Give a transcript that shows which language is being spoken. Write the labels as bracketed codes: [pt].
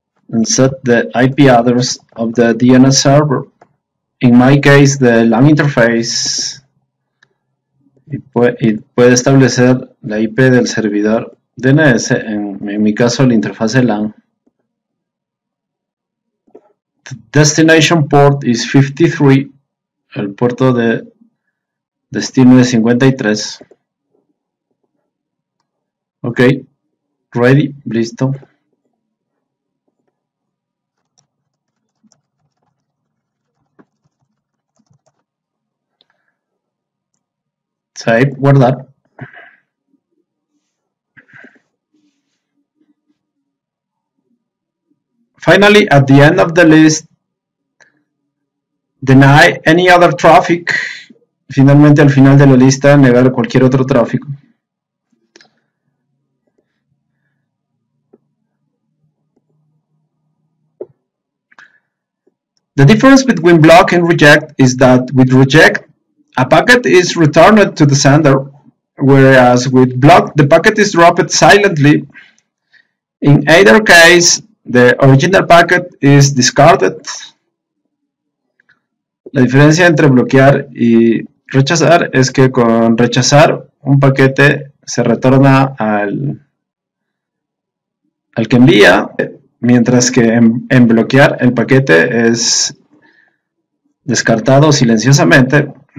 [en] And set the IP address of the DNS server. In my case, the LAN interface. [es] Y puede establecer la IP del servidor DNS. En mi caso, la interfaz LAN. [en] The destination port is 53. [es] El puerto de destino es 53. [en] Ok. Ready. [es] Listo. [en] Type, guardar. Finally, at the end of the list, deny any other traffic. [es] Finalmente, al final de la lista, negar cualquier otro tráfico. [en] The difference between block and reject is that with reject, a packet is returned to the sender, whereas with block, the packet is dropped silently. In either case, the original packet is discarded. [es] La diferencia entre bloquear y rechazar es que con rechazar un paquete se retorna al que envía, mientras que en bloquear el paquete es descartado silenciosamente.